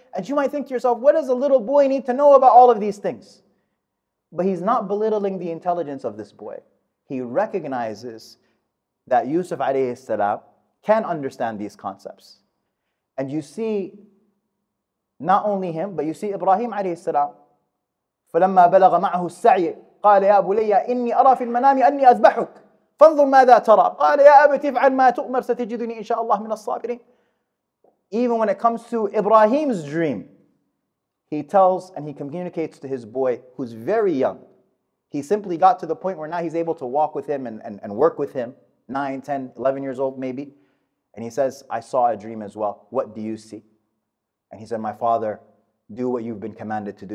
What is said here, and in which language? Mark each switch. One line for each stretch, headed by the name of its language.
English: And you might think to yourself, what does a little boy need to know about all of these things? But he's not belittling the intelligence of this boy. He recognizes that Yusuf alayhi salam can understand these concepts. And you see not only him, but you see Ibrahim alayhi salam.
Arabic: فَلَمَّا بَلَغَ مَعَهُ السَّعْيِ قال يا بني إني أرى في المنام أني أذبحك فانظر ماذا ترى قال يا أبت افعل ما تؤمر ستجدني إن شاء الله من الصابرين.
English: Even when it comes to Ibrahim's dream, he tells and he communicates to his boy who's very young. He simply got to the point where now he's able to walk with him and work with him, 9, 10, 11 years old maybe. And he says, I saw a dream as well. What do you see? And he said, my father, do what you've been commanded to do.